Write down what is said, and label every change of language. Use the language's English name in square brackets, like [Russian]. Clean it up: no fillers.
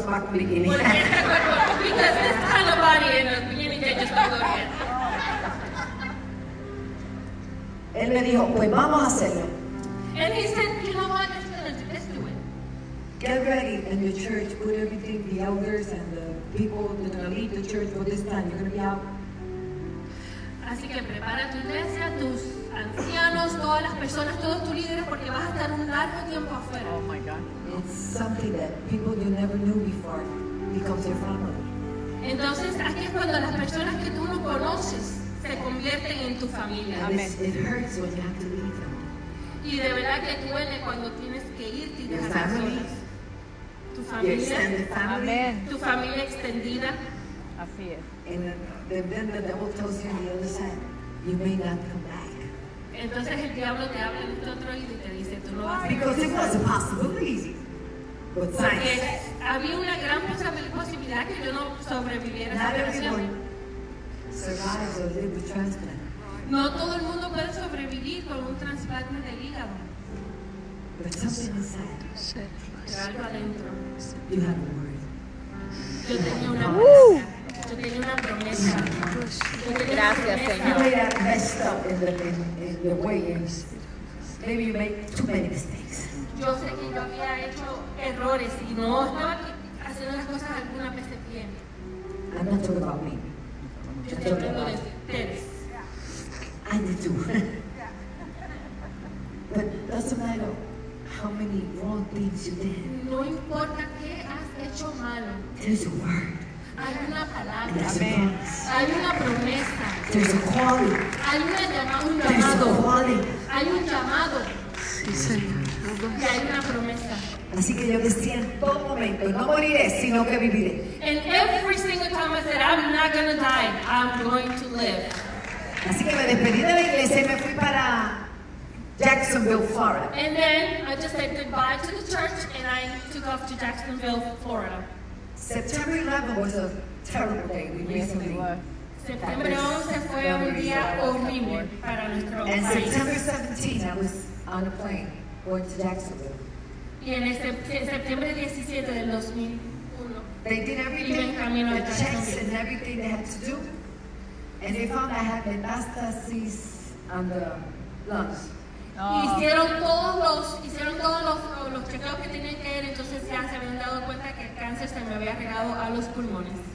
[English] Because this kind of body in a bikini, they just don't look at. [Spanish] Él me dijo, pues vamos a hacerlo. [English] And he And he said, you know what? Let's do it. Get ready in the church. Put everything, the elders and the people that are going to lead the church for this time. You're going to be out. [Spanish] Así que prepara tu iglesia, tus ancianos, todas las personas, todos tus líderes, porque vas a estar un largo tiempo afuera. [English] Oh my God. It's something that people you never knew before becomes your family. [Spanish] Entonces, aquí es cuando las personas que tú no conoces se convierten en tu familia. [English] It hurts when you have to leave them. [Spanish] Y de verdad que duele cuando tienes que irte y dejar a tu familia. Tu familia. Amen. Tu familia extendida. Así es. [English] Then the devil tells you on the other side, you may not come back. [Spanish] Entonces el diablo te habla en este otro oído y te dice, tú no vas a ir. [English] Because it was a possibility. But [Spanish] porque había una gran posibilidad que yo no sobreviviera. [English] Not everyone survives or lives with transplant. [Spanish] No todo el mundo puede sobrevivir con un trasplante de hígado. [English] But something inside. [Spanish] Pero algo adentro. [English] You have a word. [Spanish] Yo tenía una promesa. Yo tenía una promesa. Gracias, Señor. [English] You may have messed up in the ways. Maybe you make too many mistakes. [Spanish] Yo sé que yo había hecho errores y no estaba haciendo las cosas alguna vez de bien. [English] I'm not talking about me. [Spanish] Yo estoy hablando de ustedes. [English] I did too. But doesn't matter how many wrong things you did. [Spanish] No importa qué has hecho malo. [English] There's a word. [Spanish] Hay una palabra. [English] There's a promise. [Spanish] Hay una promesa. [English] There's a calling. [Spanish] Hay una llamada. Un [English] there's [Spanish] llamado. [English] A calling. [Spanish] Hay un llamado. Sí, Señor. Y hay una promesa. Así que yo decía en todo momento, no moriré, sino que viviré. [English] And every single time I said, I'm not going to die, I'm going to live. [Spanish] Así que me despedí de la iglesia y me fui para Jacksonville, Florida. [English] And then I just said goodbye to the church and I took off to Jacksonville, Florida. September 11 was a terrible day. We recently. [Spanish] September 11 fue un día horrible para nuestro país. [English] And September 17, I was on a plane going to Jacksonville. [Spanish] Y en septiembre 17 del 2001. [English] They did everything, the checks and everything they had to do. And they found I had metastases on the lungs. Oh. [Spanish] Hicieron todos los chequeos que tenían que hacer, entonces ya se habían dado cuenta que el cáncer se me había regado a los pulmones.